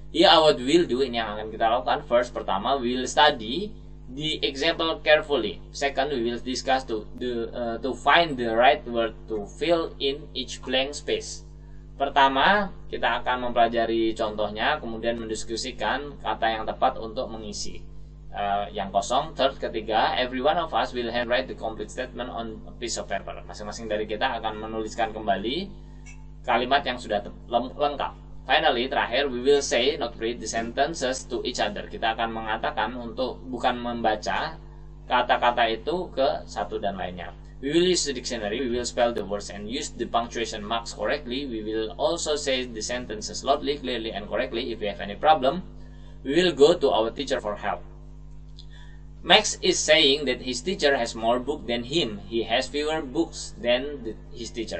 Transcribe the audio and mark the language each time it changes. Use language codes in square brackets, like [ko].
[en] Yeah, what we'll do, [id] ini yang akan kita lakukan. [en] First, [id] pertama, [en] we will study the example carefully. Second, we will discuss to find the right word to fill in each blank space. [id] Pertama, kita akan mempelajari contohnya, kemudian mendiskusikan kata yang tepat untuk mengisi yang kosong. [en] Third, [id] ketiga, [en] every one of us will handwrite the complete statement on a piece of paper. [id] Masing-masing dari kita akan menuliskan kembali kalimat yang sudah lengkap. [en] Finally, [id] terakhir, [en] we will say, not read the sentences to each other. [id] Kita akan mengatakan untuk bukan membaca kata-kata itu ke satu dan lainnya. [en] We will use the dictionary, we will spell the words and use the punctuation marks correctly. We will also say the sentences loudly, clearly, and correctly. If we have any problem, we will go to our teacher for help. Max is saying that his teacher has more books than him. He has fewer books than his teacher.